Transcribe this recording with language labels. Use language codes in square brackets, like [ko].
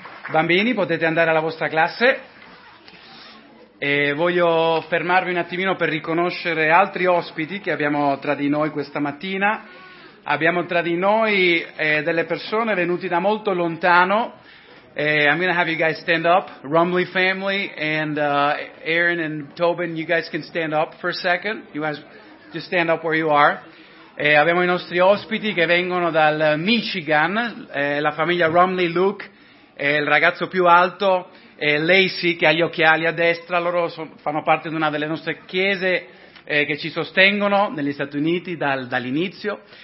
[it] Bambini, potete andare alla vostra classe. E voglio fermarvi un attimino per riconoscere altri ospiti che abbiamo tra di noi questa mattina. Abbiamo tra di noi delle persone venute da molto lontano. [en] I'm going to have you guys stand up. Rumley family and Aaron and Tobin, you guys can stand up for a second. You guys just stand up where you are. [it] Abbiamo i nostri ospiti che vengono dal Michigan, la famiglia Rumley Luke. E il ragazzo più alto è Lacey, che ha gli occhiali a destra. Loro fanno parte di una delle nostre chiese che ci sostengono negli Stati Uniti dall'inizio.